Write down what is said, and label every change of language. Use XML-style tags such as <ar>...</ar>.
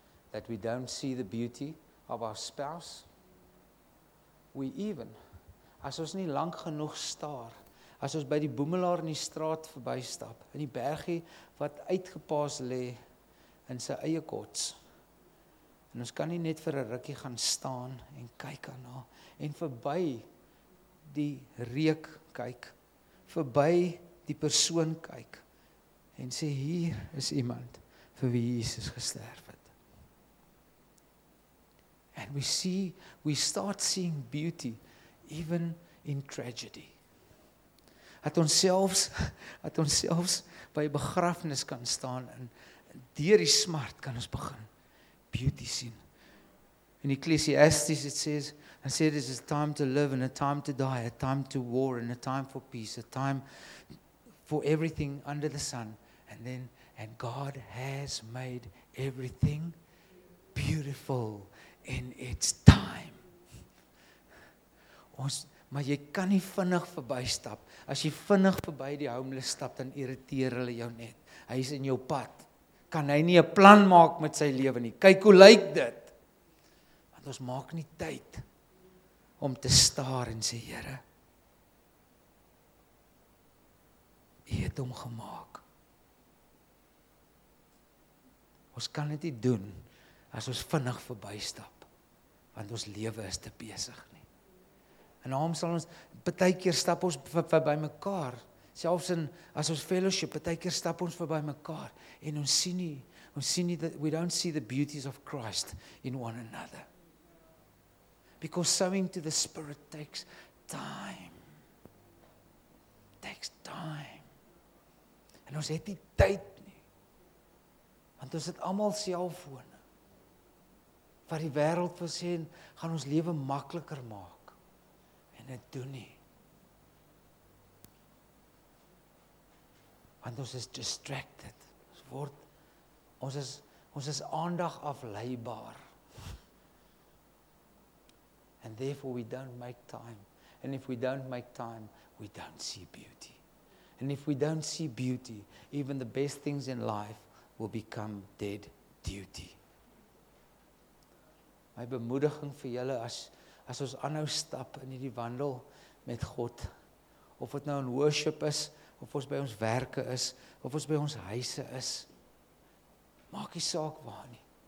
<en>That we don't see the beauty of our spouse. We even,</en> <af>as ons nie lank genoeg staar, as ons by die boemelaar in die straat verbystap, in die bergie wat uitgepaas lê in sy eie kots, en ons kan nie net vir 'n rukkie gaan staan en kyk aan haar, en verby die reuk kyk, verby die persoon kyk, en sê, hier is iemand vir wie Jesus gesterf het.</af> <en>And we start seeing beauty, even in tragedy.</en> <af>Dat ons selfs by begrafnis kan staan, en deur die smart kan ons begin beauty sien.</af> <en>In Ecclesiastes it says, and say this is a time to live and a time to die, a time to war and a time for peace, a time for everything under the sun. And God has made everything beautiful in its time.</en> <af>Maar jy kan nie vinnig verbystap. As jy vinnig verby die homeless stap, dan irriteer hulle jou net. Hy is in jou pad. Kan hy nie 'n plan maak met sy lewe nie? Kyk hoe lyk dit. Want ons maak nie tyd om te staar en sê, Here, U het hom gemaak. Ons kan dit nie doen as ons vinnig verbystap, want ons lewe is te besig nie. En daarom sal ons, partykeer stap ons verby mekaar, selfs in, as ons fellowship, partykeer stap ons verby mekaar, en ons sien nie,</af> <en>that we don't see the beauties of Christ in one another. Because sowing to the Spirit takes time.</en> <af>En ons het nie tyd nie. Want ons het almal selfone. Wat die wêreld wil sê, gaan ons lewe makliker maak. En dit doen nie. Want ons is distracted. Ons is aandag afleibaar.</af> <en>And therefore we don't make time. And if we don't make time, we don't see beauty. And if we don't see beauty, even the best things in life will become dead duty.</en> <af>My bemoediging vir julle as ons aanhou stap in hierdie wandel met God, of het nou in worship is, of ons by ons werke is, of ons by ons huise is, maak die saak waar nie.</af>